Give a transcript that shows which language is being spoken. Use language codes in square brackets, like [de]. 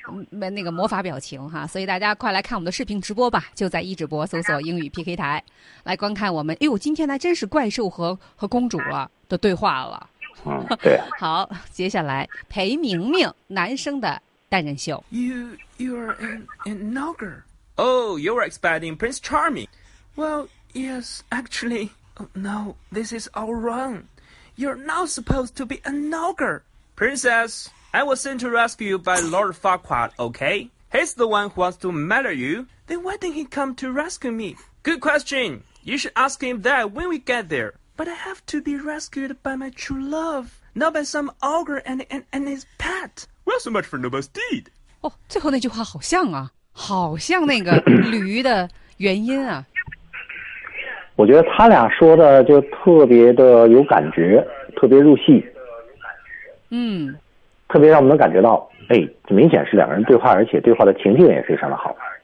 [zh] 那个魔法表情哈，所以大家快来看我们的视频直播吧，就在一直播搜索英语 PK 台来观看我们。哎呦，今天还真是怪兽和公主了，的对话了。嗯，对。好，接下来裴明明男生的单人秀。 [en] You're an ogre. Oh, you're expecting Prince Charming. Well, yes, actually, no, this is all wrong. You're not supposed to be an ogre. Princess, I was sent to rescue you by Lord Farquaad, okay? He's the one who wants to marry you. Then why didn't he come to rescue me? Good question. You should ask him that when we get there. But I have to be rescued by my true love, not by some ogre and his pet. Well, so much for noble steed. [zh] 哦，最后那句话好像啊，好像那个驴的原因啊。我觉得他俩说的就特别的有感觉，特别入戏。嗯，特别让我们能感觉到，哎，这明显是两个人对话，而且对话的情境也非常的好。